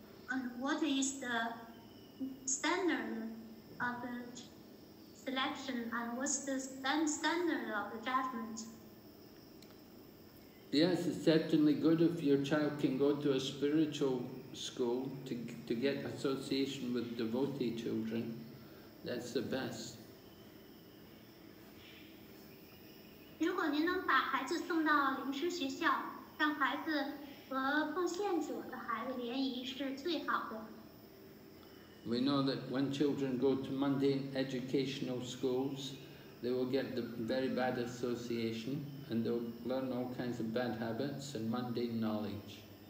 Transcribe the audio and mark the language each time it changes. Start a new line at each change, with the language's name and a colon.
English: And what is the standard of theselection and what's the standard of the judgment? Yes, it's certainly good if your child can go to a spiritual school to get association with devotee children. That's the best.
Chinese: 如果您能把孩子送到灵师学校，让孩子和奉献者的孩子联谊是最好的。
English: We know that when children go to mundane educational schools, they will get the very bad association and they'll learn all kinds of bad habits and mundane knowledge.